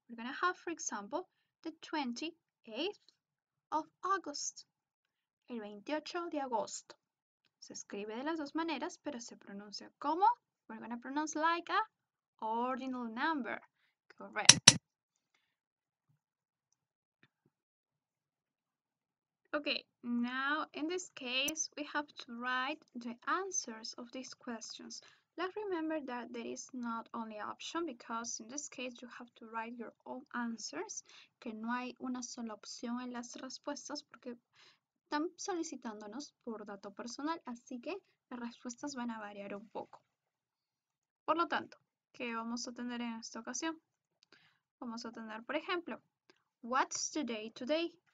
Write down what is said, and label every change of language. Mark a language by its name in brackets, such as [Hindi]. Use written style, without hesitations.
[English] We're going to have, for example, the 28th of August. [Spanish] El 28 de agosto. Se escribe de las dos maneras, pero se pronuncia como. [English] We're going to pronounce like a ordinal number. Correct. Okay, now in this case, we have to write the answers of these questions. Let's remember that there is not only option, because in this case, you have to write your own answers. [Spanish] Que no hay una sola opción en las respuestas, porque están solicitándonos por dato personal, así que las respuestas van a variar un poco. Por lo tanto, ¿qué vamos a tener en esta ocasión? Vamos a tener, por ejemplo, [English] what's the day today?